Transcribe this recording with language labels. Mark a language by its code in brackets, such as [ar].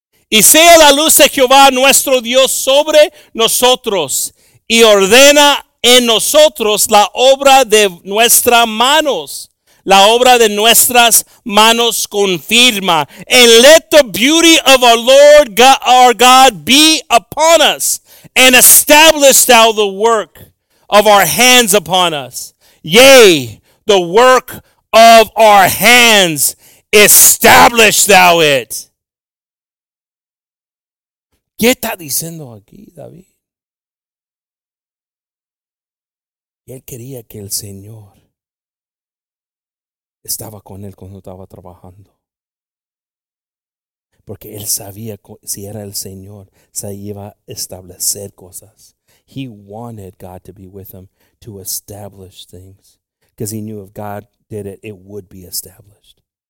[es] Y sea la luz de Jehová nuestro Dios sobre nosotros y ordena en nosotros la obra de nuestras manos. La obra de nuestras manos confirma. [en] And let the beauty of our Lord God, our God be upon us and establish thou the work of our hands upon us. Yea, the work of our hands, establish thou it. [es] ¿Qué está diciendo aquí, David? Y él quería que el Señor estaba con él cuando estaba trabajando. Porque él sabía si era el Señor, se iba a establecer cosas. [en] He wanted God to be with him to establish things. Because he knew if God did it, it would be established.